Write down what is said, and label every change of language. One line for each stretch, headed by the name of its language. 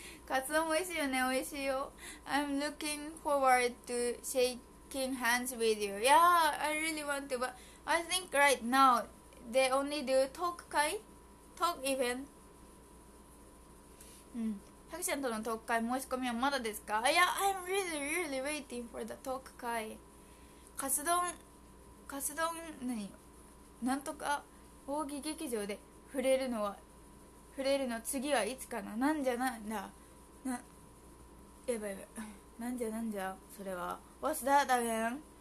Japanese: カツ丼美味しいよね、美味しいよ。
English: I'm looking forward to shaking hands with you. Yeah, I really want to, but I think right now they only do talk 会? Talk event?
Japanese: ハクちゃんとのトーク会申し込みはまだですか?
English: Yeah, I'm really, really waiting for the talk 会。カツ丼、何?
Japanese: なんとか扇劇場で触れるのは触れるの次はいつかな、なんじゃなんだな、やばいやばい、なんじゃなんじゃ、それは
English: What's that again?